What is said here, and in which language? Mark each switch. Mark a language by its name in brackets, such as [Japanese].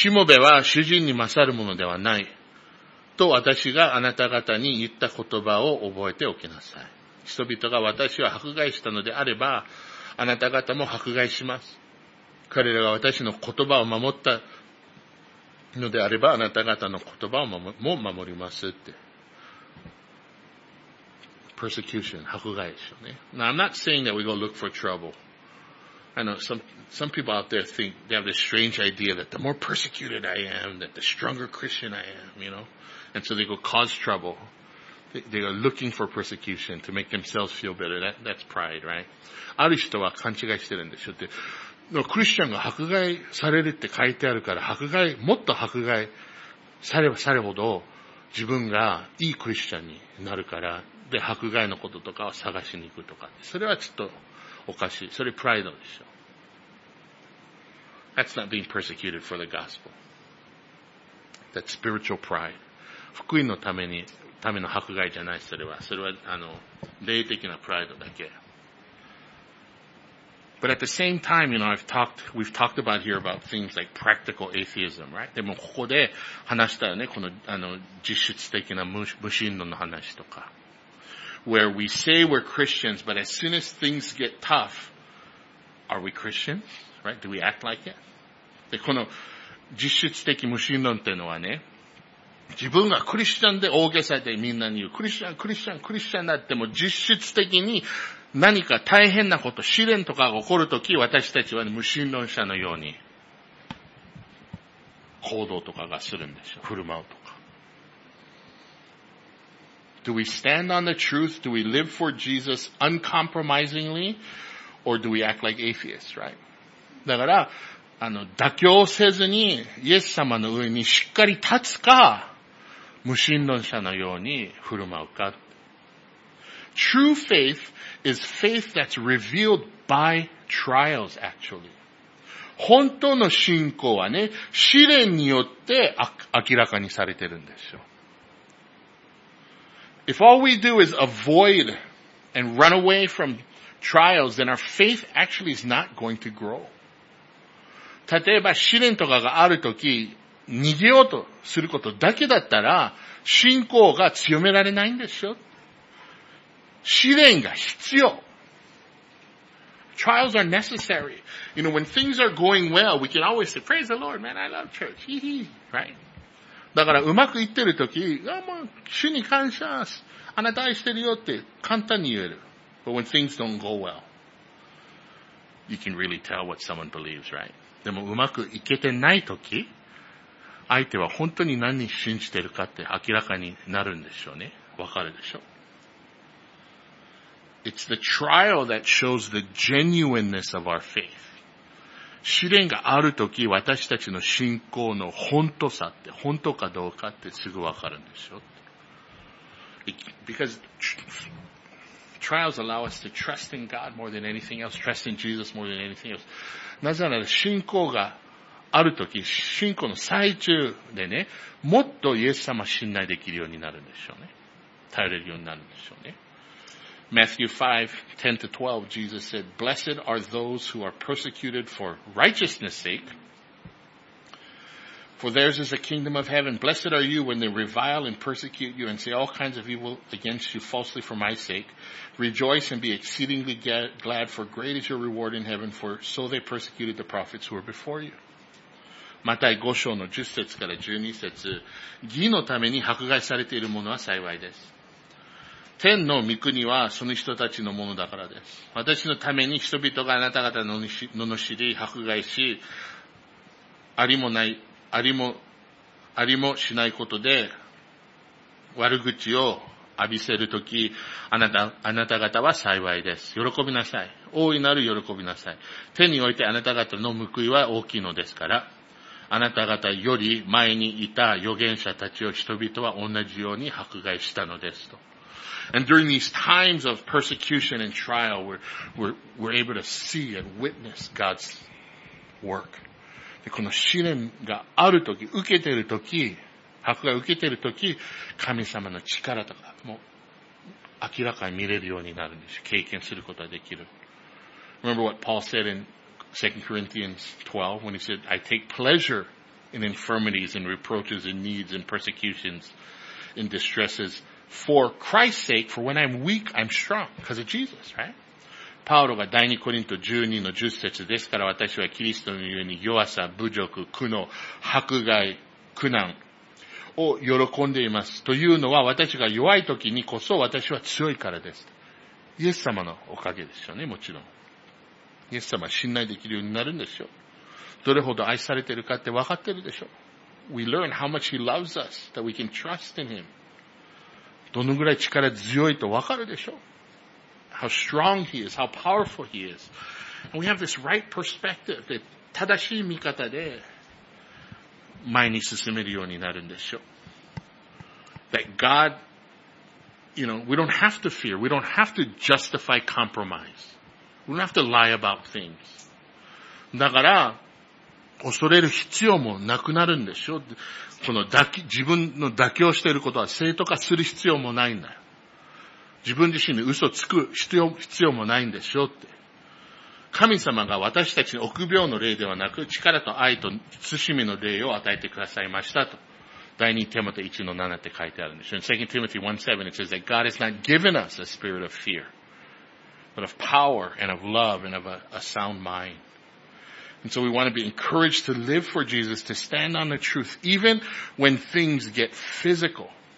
[Japanese] しもべは主人に勝るものではない。と私があなた方に言った言葉を覚えておきなさい。人々が私を迫害したのであれば、あなた方も迫害します。彼らが私の言葉を守ったのであれば、あなた方の言葉も守りますって。 Persecution, 迫害でしょうね。 [English] Now, I'm not saying that we go look for trouble. I know some people out there think they have this strange idea that the more persecuted I am, that the stronger Christian I am, you know? And so they go cause trouble. They are looking for persecution to make themselves feel better. That's pride, right? [Japanese] ある人は勘違いしてるんでしょって。No, クリスチャンが迫害されるって書いてあるから、迫害、もっと迫害されればされほど自分がいいクリスチャンになるから、で、迫害のこととかを探しに行くとか。それはちょっとおかしい。それプライドでしょ。 [English] That's not being persecuted for the gospel. That's spiritual pride. [Japanese] 福音のために、ための迫害じゃない、それは。それは、霊的なプライドだけ。 [English] But at the same time, you know, we've talked about here about things like practical atheism, right? [Japanese] でもここで話したよね。この、実質的な無神論の話とか。 [English] Where we say we're Christians, but as soon as things get tough, are we Christians? Right? Do we act like it? [Japanese] で、この実質的無神論ってのはね、自分がクリスチャンで大げさでみんなに言う、クリスチャン、クリスチャン、クリスチャンだっても実質的に何か大変なこと、試練とかが起こるとき、私たちは無神論者のように行動とかがするんですよ。振る舞うとか。 [English] Do we stand on the truth? Do we live for Jesus uncompromisingly? Or do we act like atheists, right? [Japanese] だから、妥協せずに、イエス様の上にしっかり立つか、無神論者のように振る舞うか。 [English] True faith is faith that's revealed by trials, actually. [Japanese] 本当の信仰はね、試練によって明らかにされてるんですよ。 [English] If all we do is avoid and run away from trials, then our faith actually is not going to grow. [Japanese] 例えば試練とかがあるとき、逃げようとすることだけだったら、信仰が強められないんでしょ。試練が必要。 [English] Trials are necessary. You know, when things are going well, we can always say, praise the Lord, man, I love church. Hee hee. Right? [Japanese] だからうまくいってるとき、あ、もう主に感謝、あなた愛してるよって簡単に言える。 [English] But when things don't go well, you can really tell what someone believes, right? [Japanese] でもうまくいけてないとき、相手は本当に何に信じてるかって明らかになるんでしょうね。わかるでしょう。 [English] It's the trial that shows the genuineness of our faith. [Japanese] 試練があるとき、私たちの信仰の本当さって、本当かどうかってすぐわかるんでしょう。 [English] Because trials allow us to trust in God more than anything else, trust in Jesus more than anything else. [Japanese] なぜなら信仰があるとき、信仰の最中でね、もっとイエス様を信頼できるようになるんでしょうね。頼れるようになるんでしょうね。 [English] Matthew 5:10-12, Jesus said, Blessed are those who are persecuted for righteousness' sake, for theirs is the kingdom of heaven. Blessed are you when they revile and persecute you and say all kinds of evil against you falsely for my sake. Rejoice and be exceedingly glad, for great is your reward in heaven, for so they persecuted the prophets who were before you. [Japanese] マタイ5章の10節から12節、義のために迫害されている者は幸いです。天の御国はその人たちのものだからです。私のために人々があなた方の罵り、迫害し、ありもしないことで悪口を浴びせるとき、あなた方は幸いです。喜びなさい。大いなる喜びなさい。天においてあなた方の報いは大きいのですから、あなた方より前にいた預言者たちを人々は同じように迫害したのですと。 [English] And during these times of persecution and trial, we're able to see and witness God's work. [Japanese] で、この試練があるとき、受けているとき、迫害を受けているとき、神様の力とかも明らかに見れるようになるんです。経験することができる。 [English] Remember what Paul said in 2 Corinthians 12 when he said, I take pleasure in infirmities and reproaches and needs and persecutions and distresses. For Christ's sake, for when I'm weak, I'm strong. Because of Jesus, right? [Japanese] パウロが第2コリント12の10節ですから私はキリストのように弱さ、侮辱、苦悩、迫害、苦難を喜んでいます。というのは私が弱い時にこそ私は強いからです。イエス様のおかげですよね、もちろん。イエス様は信頼できるようになるんですよ。どれほど愛されているかって分かってるでしょ。 [English] We learn how much He loves us, that we can trust in Him. [Japanese] どのぐらい力強いとわかるでしょう。 [English] How strong he is, how powerful he is. And we have this right perspective, [Japanese] で正しい見方で前に進めるようになるんでしょう。 [English] That God, you know, we don't have to fear, we don't have to justify compromise. We don't have to lie about things. [Japanese] だから、恐れる必要もなくなるんでしょう。その自分の妥協していることは正当化する必要もないんだよ。自分自身に嘘つく必要もないんでしょうって。神様が私たちに臆病の霊ではなく、力と愛と慎みの霊を与えてくださいましたと。第二テモテ 1-7 って書いてあるんでしょう。 [English] 2 Timothy 1:7 it says that God has not given us a spirit of fear, but of power and of love and of a sound mind. And so we want to be encouraged to live for Jesus, to stand on the truth, even when things get physical.